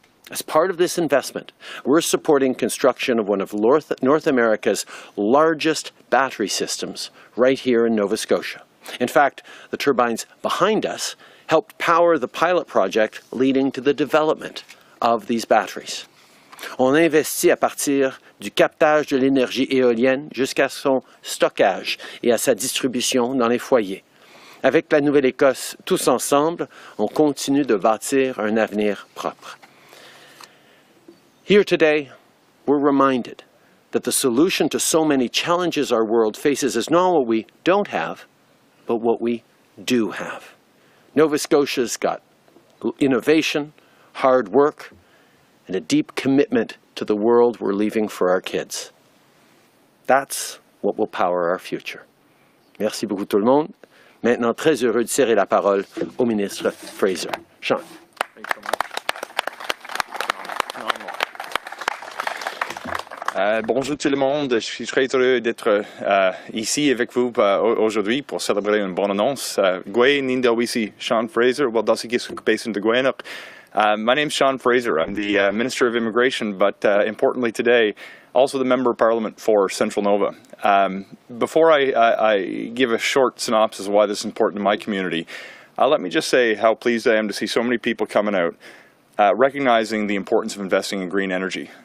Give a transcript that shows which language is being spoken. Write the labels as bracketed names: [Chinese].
[English] As part of this investment, we're supporting construction of one of North America's largest battery systems right here in Nova Scotia. In fact, the turbines behind us helped power the pilot project leading to the development of these batteries. [French] On investit à partir du captage de l'énergie éolienne jusqu'à son stockage et à sa distribution dans les foyers. Avec la Nouvelle-Écosse tous ensemble, on continue de bâtir un avenir propre. [English] Here today, we're reminded that the solution to so many challenges our world faces is not what we don't have, but what we do have. Nova Scotia's got innovation, hard work, and a deep commitment to the world we're leaving for our kids. That's what will power our future. [French] Merci beaucoup tout le monde. Maintenant, très heureux de serrer la parole au ministre Fraser. Sean. [English] Thanks so much. Phenomenal. [French] Bonjour tout le monde. Je suis très heureux d'être ici avec vous aujourd'hui pour célébrer une bonne annonce. Gwen Indawisi, Sean Fraser, well, dans ce qui est basé de Gwenoch. [English] My name is Sean Fraser. I'm the Minister of Immigration, but importantly today, also the Member of Parliament for Central Nova. Before I give a short synopsis of why this is important to my community, let me just say how pleased I am to see so many people coming out, recognizing the importance of investing in green energy.